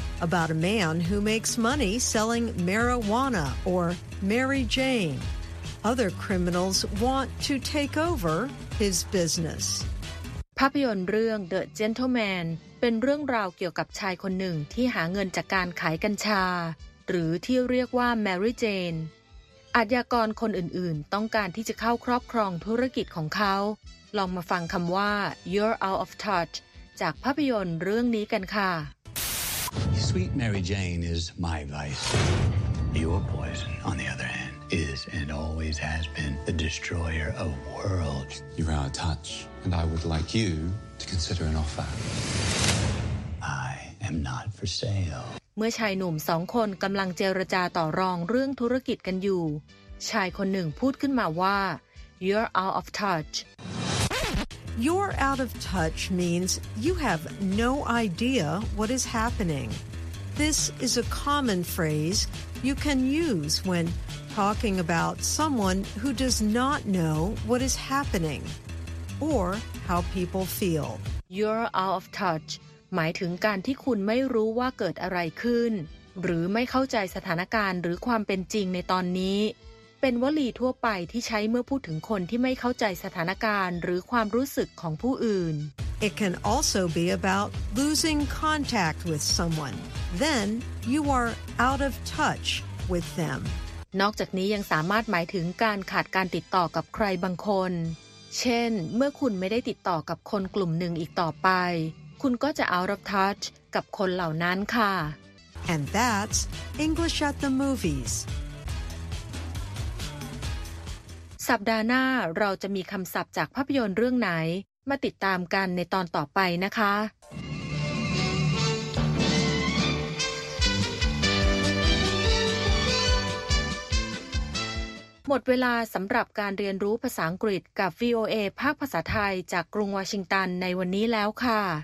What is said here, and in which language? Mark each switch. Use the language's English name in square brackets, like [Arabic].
[English] about a man who makes money selling marijuana or Mary Jane. Other criminals want to take over his business. [Thai] ภาพยนตร์เรื่อง The Gentleman เป็นเรื่องราวเกี่ยวกับชายคนหนึ่งที่หาเงินจากการขายกัญชาหรือที่เรียกว่า Mary Jane. อาชญากรคนอื่นๆต้องการที่จะเข้าครอบครองธุรกิจของเขาลองมาฟังคำว่า [English] You're out of touch [Thai] จากภาพยนตร์เรื่องนี้กันค่ะ [English] Sweet Mary Jane is my vice Your poison on the other hand is and always has been the destroyer of worlds You're out of touch and I would like you to consider an offer I am not for sale [Thai] เมื่อชายหนุ่มสองคนกำลังเจรจาต่อรองเรื่องธุรกิจกันอยู่ชายคนหนึ่งพูดขึ้นมาว่า [English] You're out of touch You're out of touch means you have no idea what is happening. This is a common phrase you can use when talking about someone who does not know what is happening or how people feel. You're out of touch [Thai] หมายถึงการที่คุณไม่รู้ว่าเกิดอะไรขึ้นหรือไม่เข้าใจสถานการณ์หรือความเป็นจริงในตอนนี้เป็นวลีทั่วไปที่ใช้เมื่อพูดถึงคนที่ไม่เข้าใจสถานการณ์หรือความรู้สึกของผู้อื่น [English] It can also be about losing contact with someone. Then you are out of touch with them. [Thai] นอกจากนี้ยังสามารถหมายถึงการขาดการติดต่อกับใครบางคนเช่นเมื่อคุณไม่ได้ติดต่อกับคนกลุ่มหนึ่งอีกต่อไปคุณก็จะ [English] out of touch [Thai] กับคนเหล่านั้นค่ะ [English] And that's English at the movies [Thai] สัปดาห์หน้าเราจะมีคำศัพท์จากภาพยนตร์เรื่องไหนมาติดตามกันในตอนต่อไปนะคะหมดเวลาสำหรับการเรียนรู้ภาษาอังกฤษกับ VOA ภาคภาษาไทยจากกรุงวอชิงตันในวันนี้แล้วค่ะ